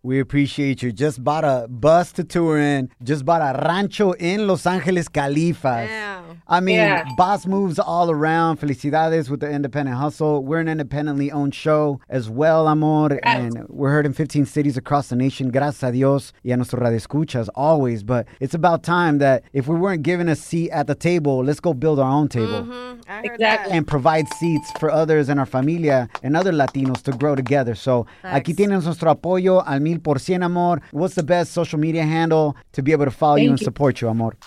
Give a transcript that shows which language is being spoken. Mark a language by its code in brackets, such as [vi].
[en] We appreciate you. Just bought a bus to tour in. Just bought a rancho in Los Angeles, Califas. Yeah. I mean, yeah. Boss moves all around. [es] Felicidades [en] with the independent hustle. We're an independently owned show as well, amor. Yes. And we're heard in 15 cities across the nation. [es] Gracias a Dios y a nuestro radio escuchas [en] always. But it's about time that if we weren't given a seat at the table, let's go build our own table. Mm-hmm. I heard exactly. That. And provide seats for others and our familia and other Latinos to grow together. So thanks. [es] Aquí tienes nuestro apoyo al 100%, amor. [en] What's the best social media handle to be able to follow you and support you, amor?